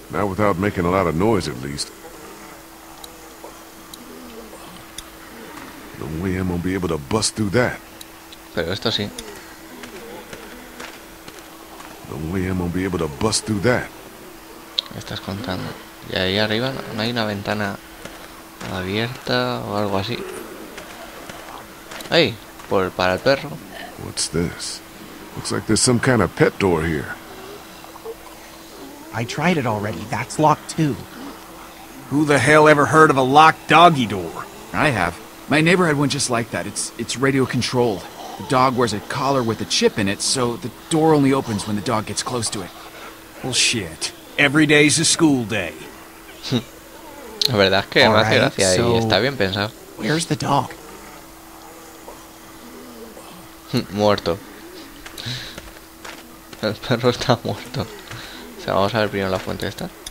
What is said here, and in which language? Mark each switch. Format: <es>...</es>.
<en>Not without making a lot of noise, at least. No way I'm gonna be able to bust through that.</en> <es>Pero esto sí.</es> <en>No way I'm gonna be able to bust through that.</en> <es>¿Me estás contando? Y ahí arriba no hay una ventana abierta o algo así. Hey, por para el perro.</es> <en>What's this? Looks like there's some kind of pet door here. I tried it already. That's locked too. Who the hell ever heard of a locked doggy door? I have. My neighbor had one just like that. It's radio controlled. The dog wears a collar with a chip in it, so the door only opens when the dog gets close to it. Well, shit. Every day's a school day.</en> <es>La verdad es que no hace gracia y está bien pensado.</es> <en>Where's the dog?</en> <es>Muerto. El perro está muerto. O sea, vamos a ver primero la fuente esta.</es>